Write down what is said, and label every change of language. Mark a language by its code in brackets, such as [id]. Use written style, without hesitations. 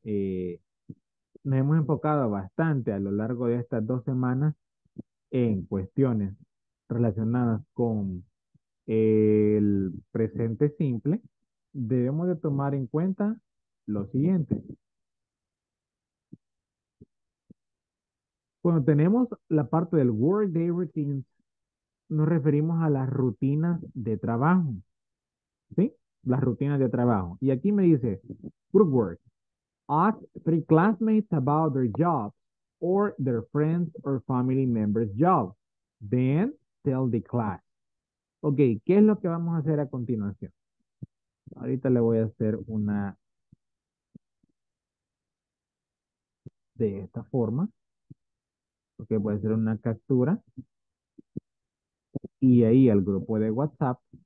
[es] Nos hemos enfocado bastante a lo largo de estas 2 semanas en cuestiones relacionadas con el presente simple, debemos de tomar en cuenta lo siguiente. Cuando tenemos la parte del Work Day Routine, nos referimos a las rutinas de trabajo. ¿Sí? Las rutinas de trabajo. Y aquí me dice, [en] good work. Ask three classmates about their jobs or their friends or family members' jobs. Then tell the class. [es] Ok, ¿qué es lo que vamos a hacer a continuación? Ahorita le voy a hacer una de esta forma. Ok, voy a hacer una captura. Y ahí al grupo de WhatsApp.